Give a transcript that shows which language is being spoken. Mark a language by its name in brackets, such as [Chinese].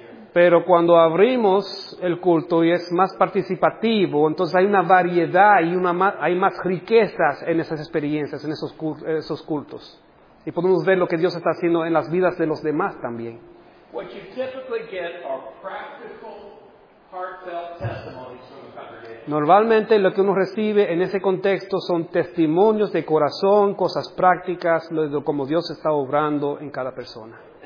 [Spanish] Pero cuando abrimos el culto y es más participativo, entonces hay una variedad y hay más riquezas en esas experiencias, en esos cultos. Y podemos ver lo que Dios está haciendo en las vidas de los demás también. [English] What you typically get are practical, heartfelt testimonies from the congregation. [Spanish] Normalmente lo que uno recibe en ese contexto son testimonios de corazón, cosas prácticas, de cómo Dios está obrando en cada persona.